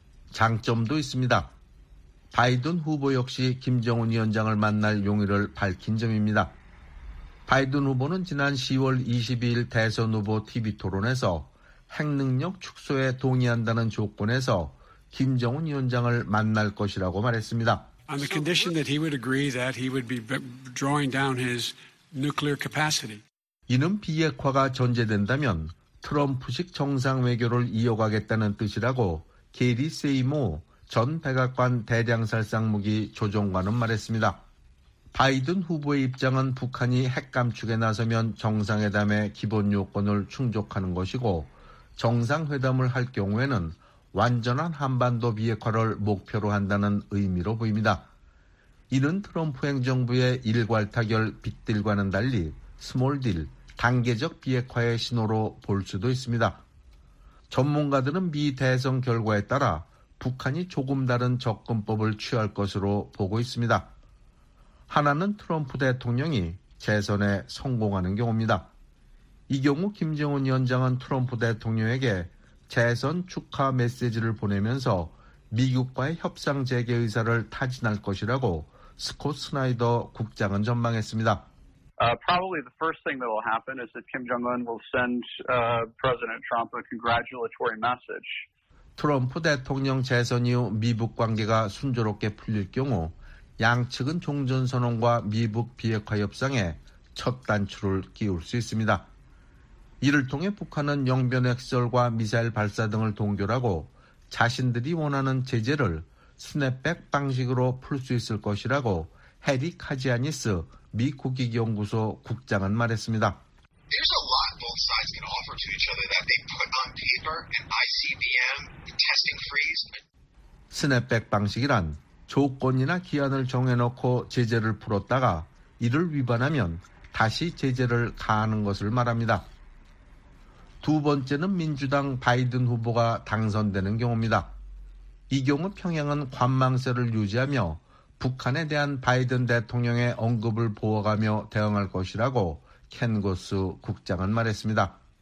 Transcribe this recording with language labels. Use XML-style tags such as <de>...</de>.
<ko>장점도 있습니다. 바이든 후보 역시 김정은 위원장을 만날 용의를 밝힌 점입니다. 바이든 후보는 지난 10월 22일 대선 후보 TV 토론에서 핵능력 축소에 동의한다는 조건에서 김정은 위원장을 만날 것이라고 말했습니다.</ko> <en>On the condition that he would agree that he would be drawing down his nuclear capacity.</en> <ko>이는 비핵화가 전제된다면 트럼프식 정상 외교를 이어가겠다는 뜻이라고 게리 세이모 전 백악관 대량살상무기 조정관은 말했습니다. 바이든 후보의 입장은 북한이 핵 감축에 나서면 정상회담의 기본 요건을 충족하는 것이고 정상회담을 할 경우에는 완전한 한반도 비핵화를 목표로 한다는 의미로 보입니다. 이는 트럼프 행정부의 일괄 타결 빅딜과는 달리 스몰딜, 단계적 비핵화의 신호로 볼 수도 있습니다. 전문가들은 미 대선 결과에 따라 북한이 조금 다른 접근법을 취할 것으로 보고 있습니다. 하나는 트럼프 대통령이 재선에 성공하는 경우입니다. 이 경우 김정은 위원장은 트럼프 대통령에게 재선 축하 메시지를 보내면서 미국과의 협상 재개 의사를 타진할 것이라고 스콧 스나이더 국장은 전망했습니다.</ko> <en>Probably the first thing that will happen is that Kim Jong-un will send President Trump a congratulatory message.</en> <ko>트럼프 대통령 재선 이후 미북 관계가 순조롭게 풀릴 경우 양측은 종전선언과 미북 비핵화 협상에 첫 단추를 끼울 수 있습니다. 이를 통해 북한은 영변 핵설과 미사일 발사 등을 동결하고 자신들이 원하는 제재를 스냅백 방식으로 풀 수 있을 것이라고 해리 카지아니스 미 국익연구소 국장은 말했습니다.</ko> <en>There's a lot both sides can offer to each other that they put on paper and ICBM testing freeze.</en> <ko>스냅백 방식이란 조건이나 기한을 정해놓고 제재를 풀었다가 이를 위반하면 다시 제재를 가하는 것을 말합니다. 두 번째는 민주당 바이든 후보가 당선되는 경우입니다. 이 경우 평양은 관망세를 유지하며 북한에 대한 바이든 대통령의 언급을 보호하며 대응할 것이라고 켄 고스 국장은 말했습니다.</ko>